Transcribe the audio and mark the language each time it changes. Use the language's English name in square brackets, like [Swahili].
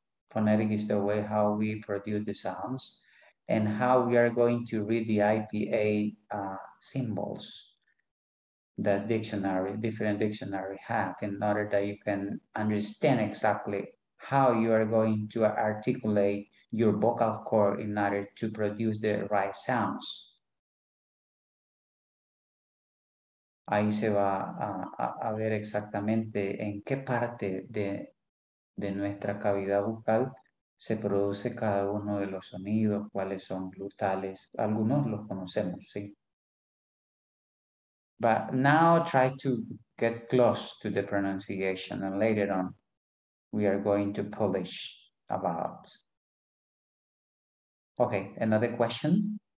[English] Phonetic is the way how we produce the sounds and how we are going to read the IPA symbols that dictionary, different dictionary have, in order that you can understand exactly how you are going to articulate your vocal cord in order to produce the right sounds. [Spanish] Ahí se va a ver exactamente en qué parte de nuestra cavidad bucal se produce cada uno de los sonidos, cuáles son glutales. Algunos los conocemos, sí. [English] But now try to get close to the pronunciation, and later on we are going to polish about. Okay, another question?